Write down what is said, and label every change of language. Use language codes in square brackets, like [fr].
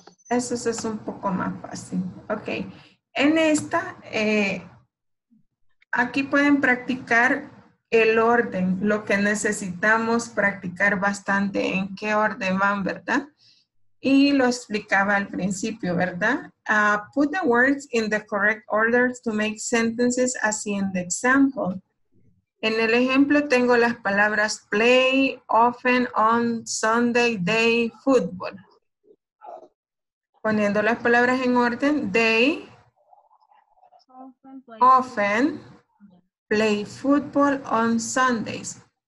[es] Eso es un poco más fácil. Ok. En esta, aquí pueden practicar el orden, lo que necesitamos practicar bastante, en qué orden van, ¿verdad? Y lo explicaba al principio, ¿verdad? [en] Put the words in the correct order to make sentences as in the example. [es] En el ejemplo tengo las palabras [en] play, often, on, Sunday, day, football. [es] Poniendo las palabras en orden, [en] they often play football on Sundays.